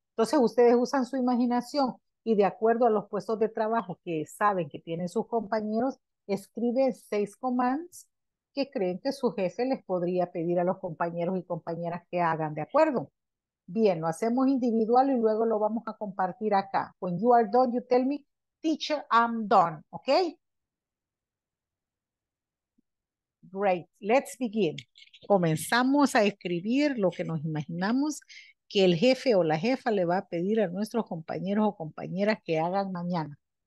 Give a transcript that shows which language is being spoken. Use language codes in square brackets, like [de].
[es] Entonces ustedes usan su imaginación y de acuerdo a los puestos de trabajo que saben que tienen sus compañeros, escriben 6 commands que creen que su jefe les podría pedir a los compañeros y compañeras que hagan, ¿de acuerdo? Bien, lo hacemos individual y luego lo vamos a compartir acá. [en] When you are done, you tell me, teacher, I'm done, ¿ok? Great, let's begin. [es] Comenzamos a escribir lo que nos imaginamos que el jefe o la jefa le va a pedir a nuestros compañeros o compañeras que hagan mañana.